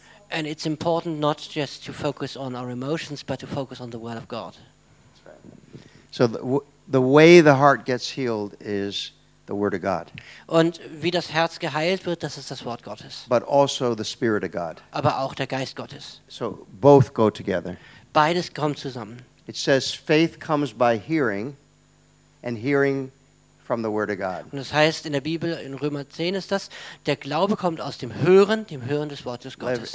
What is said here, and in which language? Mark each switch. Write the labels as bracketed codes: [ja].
[en] And it's important not just to focus on our emotions, but to focus on the Word of God. So the way the heart gets healed is the Word of God. [de] Und wie das Herz geheilt wird, das ist das Wort Gottes. [en] But also the Spirit of God. [de] Aber auch der Geist Gottes. [en] So both go together. [de] Beides kommt zusammen. [en] It says faith comes by hearing, and hearing from the Word of God. [de] Und das heißt in der Bibel in Römer 10 ist das, der Glaube kommt aus dem Hören des Wortes Gottes.